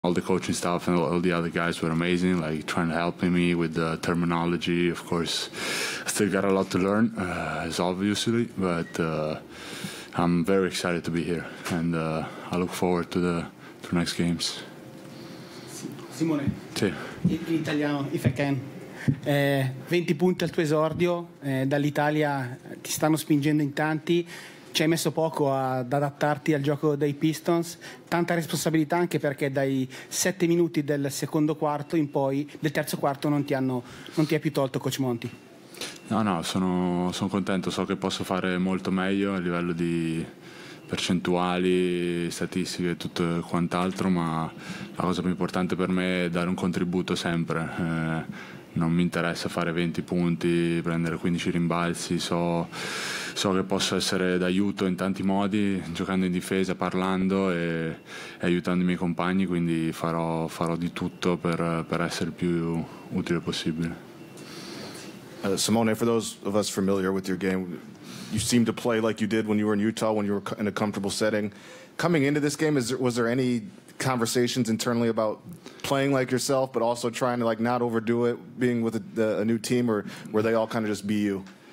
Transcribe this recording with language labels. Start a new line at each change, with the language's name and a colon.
English: All the coaching staff and all the other guys were amazing, like trying to help me with the terminology. Of course, I still got a lot to learn, as obviously, but I'm very excited to be here, and I look forward to the next games. Simone,
Italian: sì. In italiano,
English: if I can.
Italian: 20 punti al tuo esordio, dall'Italia ti stanno spingendo in tanti. Ci hai messo poco ad adattarti al gioco dei Pistons, tanta responsabilità anche perché dai 7 minuti del secondo quarto in poi, del terzo quarto, non ti è più tolto Coach Monty. No, sono contento, so che posso fare molto meglio a livello di percentuali, statistiche e tutto quant'altro, ma la cosa più importante per me è dare un contributo sempre. Non mi interessa fare 20 punti, prendere 15 rimbalzi, so che posso essere d'aiuto in tanti modi, giocando in difesa, parlando e aiutando i miei compagni, quindi farò di tutto per essere il più utile possibile.
English: Simone, for those of us familiar with your game, you seem to play like you did when you were in Utah, when you were in a comfortable setting. Coming into this game, was there any conversations internally about playing like yourself, but also trying to like not overdo it, being with a new team, or were they all kind of just be you?